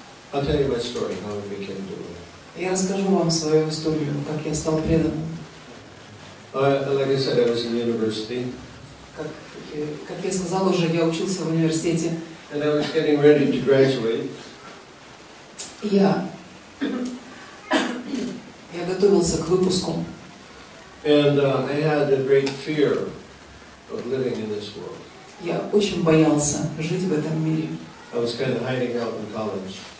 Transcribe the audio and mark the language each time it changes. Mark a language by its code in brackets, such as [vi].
[en] I'll tell you my story, how I became a devotee. [ru] Я расскажу вам свою историю, как я стал преданным. [en] Like I said, I was in university. [ru] Как я сказал уже, я учился в университете. [en] And I was getting ready to graduate. [ru] Я готовился к выпуску. [en] And I had a great fear of living in this world. [ru] Я очень боялся жить в этом мире. [en] I was kind of hiding out in college.